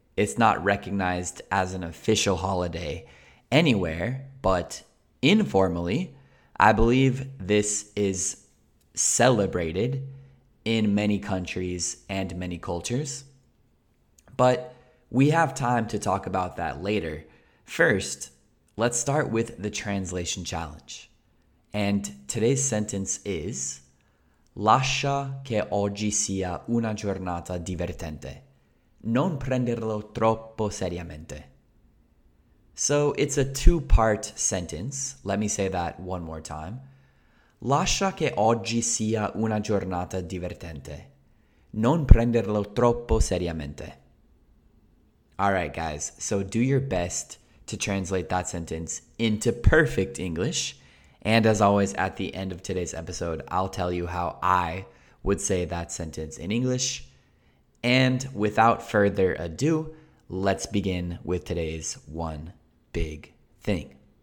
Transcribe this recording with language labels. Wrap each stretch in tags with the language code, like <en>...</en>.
<en>It's not recognized as an official holiday anywhere, but informally, I believe this is celebrated in many countries and many cultures. But we have time to talk about that later. First, let's start with the translation challenge. And today's sentence is,</en> <it>lascia che oggi sia una giornata divertente. Non prenderlo troppo seriamente.</it> <en>So it's a two-part sentence. Let me say that one more time.</en> <it>Lascia che oggi sia una giornata divertente. Non prenderlo troppo seriamente.</it> <en>All right, guys. So do your best to translate that sentence into perfect English. And as always, at the end of today's episode, I'll tell you how I would say that sentence in English. And without further ado, let's begin with today's one big thing.</en>